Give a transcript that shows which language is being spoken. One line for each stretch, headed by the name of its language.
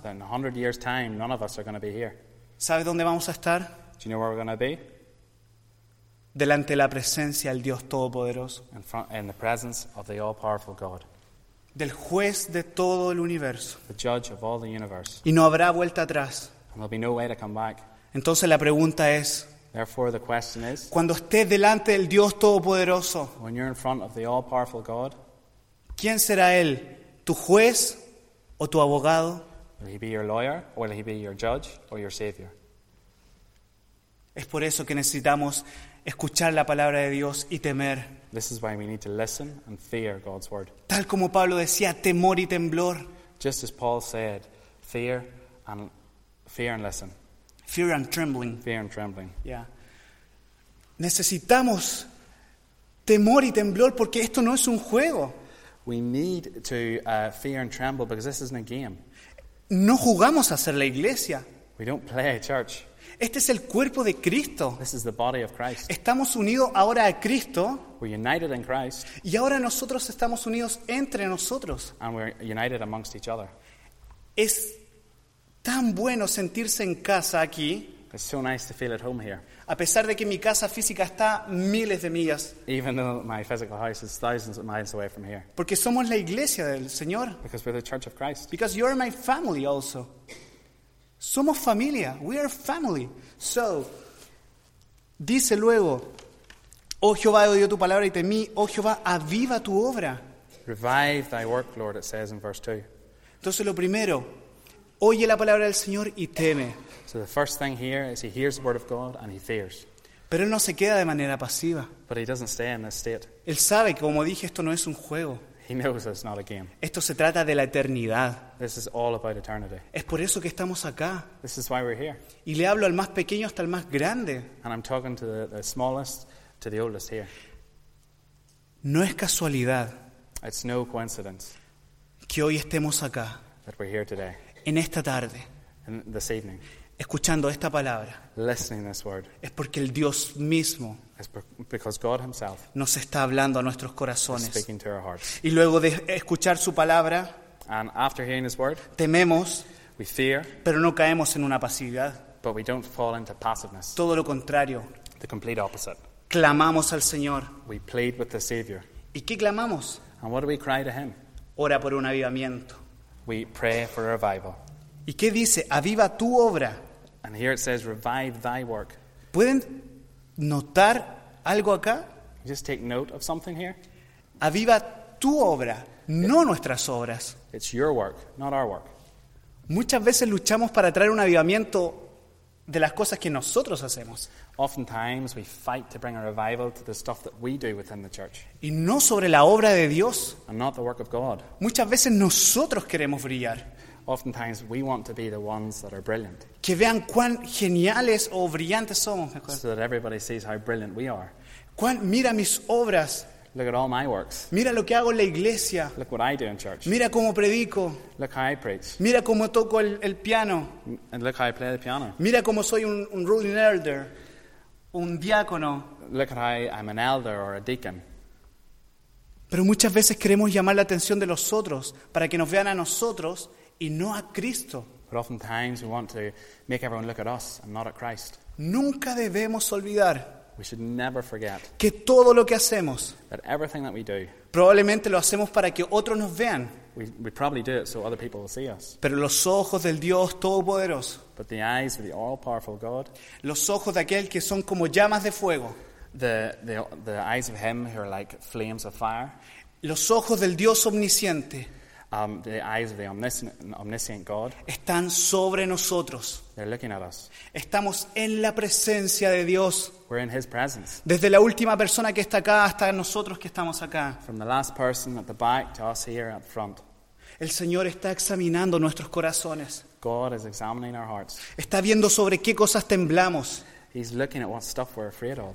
English: In 100 years time, none of us are going to be here.
Spanish: ¿Sabes dónde vamos a estar?
English: Do you know where we're going to be?
Spanish: Delante de la presencia del Dios Todopoderoso.
English: In the presence of the all-powerful God.
Spanish: Del juez de todo el universo.
English: The judge of all the universe.
Spanish: Y no habrá vuelta atrás.
English: And there'll be no way to come back.
Spanish: Entonces la pregunta es,
English: therefore the question is,
Spanish: cuando estés delante del Dios Todopoderoso,
English: when you're in front of the all-powerful God,
Spanish: ¿quién será él? ¿Tu juez o tu abogado?
English: Will he be your lawyer, or will he be your judge, or your savior?
Spanish: Es por eso que necesitamos escuchar la palabra de Dios y temer.
English: This is why we need to listen and fear God's word.
Spanish: Tal como Pablo decía, temor y temblor.
English: Just as Paul said, fear and listen. Fear and trembling. Fear and trembling. Yeah.
Spanish: Necesitamos temor y temblor porque esto no es un juego.
English: We need to fear and tremble because this isn't a game.
Spanish: No jugamos a ser la iglesia.
English: We don't play a church.
Spanish: Este es el cuerpo de Cristo.
English: This is the body of Christ.
Spanish: Estamos unidos ahora a Cristo.
English: We're united in Christ.
Spanish: Y ahora nosotros estamos unidos entre nosotros.
English: And we're united amongst each other.
Spanish: Es tan bueno sentirse en casa aquí.
English: It's so nice to feel at home here.
Spanish: A pesar de que mi casa física está miles de millas.
English: Even though my physical house is thousands of miles away from here.
Spanish: Porque somos la iglesia del Señor.
English: Because we're the church of Christ. Because you're my family also.
Spanish: Somos familia.
English: We are family.
Spanish: So, dice luego, oh Jehová, he oído tu palabra y temí. Oh Jehová, aviva tu obra.
English: Revive thy work, Lord, it says in verse 2.
Spanish: Entonces lo primero, oye la palabra del Señor y teme.
English: So the first thing here is he hears the word of God and he fears.
Spanish: Pero él no se queda de manera pasiva.
English: But he doesn't stay in this state.
Spanish: Él sabe que, como dije, esto no es un juego.
English: He knows it's not a game.
Spanish: Esto se trata de la eternidad.
English: This is all about eternity.
Spanish: Es por eso que estamos acá.
English: This is why we're here.
Spanish: Y le hablo al más pequeño hasta el más grande.
English: And I'm talking to the smallest to the oldest here.
Spanish: No es casualidad.
English: It's no coincidence.
Spanish: Que hoy estemos acá.
English: That we're here today.
Spanish: En esta tarde.
English: In this evening.
Spanish: Escuchando esta palabra.
English: Listening this word.
Spanish: Es porque el Dios mismo.
English: Because God himself.
Spanish: Nos está hablando a nuestros corazones.
English: Is speaking to our hearts.
Spanish: Y luego de escuchar su palabra.
English: And after hearing his word.
Spanish: Tememos.
English: We fear.
Spanish: Pero no caemos en una pasividad.
English: But we don't fall into passiveness.
Spanish: Todo lo contrario.
English: The complete opposite.
Spanish: Clamamos al Señor.
English: We plead with the Savior.
Spanish: ¿Y qué clamamos?
English: And what do we cry to him?
Spanish: Ora por un avivamiento.
English: We pray for a revival.
Spanish: ¿Y qué dice? Aviva tu obra.
English: And here it says, revive thy work.
Spanish: ¿Pueden notar algo acá?
English: Just take note of something here.
Spanish: Aviva tu obra, no nuestras obras.
English: It's your work, not our work.
Spanish: Muchas veces luchamos para traer un avivamiento de las cosas que nosotros hacemos.
English: Oftentimes we fight to bring a revival to the stuff that we do within the church.
Spanish: Y no sobre la obra de Dios.
English: And not the work of God.
Spanish: Muchas veces nosotros queremos brillar.
English: Oftentimes we want to be the ones that are brilliant.
Spanish: Que vean cuán geniales o brillantes somos.
English: So that everybody sees how brilliant we are.
Spanish: Mira mis obras.
English: Look at all my works.
Spanish: Mira lo que hago en la iglesia.
English: Look what I do in church.
Spanish: Mira cómo predico.
English: Look how I preach.
Spanish: Mira cómo toco el piano.
English: And look how I play the piano.
Spanish: Mira cómo soy un
English: ruling elder.
Spanish: un diácono.
English: Look at how I'm an elder or a deacon.
Spanish: Pero muchas veces queremos llamar la atención de los otros para que nos vean a nosotros y no a Cristo.
English: But oftentimes we want to make everyone look at us and not at Christ.
Spanish: Nunca debemos olvidar.
English: We should never forget
Spanish: que todo lo que hacemos,
English: that everything that we do,
Spanish: probablemente lo hacemos para que otros nos vean.
English: We probably do it so other people will see us.
Spanish: Pero los ojos del Dios Todopoderoso,
English: but the eyes of the all-powerful God,
Spanish: los ojos de aquel que son como llamas de fuego,
English: the eyes of him who are like flames of fire,
Spanish: los ojos del Dios omnisciente,
English: the eyes of the omniscient God,
Spanish: están sobre nosotros.
English: They're looking at us.
Spanish: Estamos en la presencia de Dios.
English: We're in his presence.
Spanish: Desde la última persona que está acá hasta nosotros que estamos acá.
English: From the last person at the back to us here at the front.
Spanish: El Señor está examinando nuestros corazones.
English: God is examining our hearts.
Spanish: Está viendo sobre qué cosas temblamos.
English: He's looking at what stuff we're afraid of.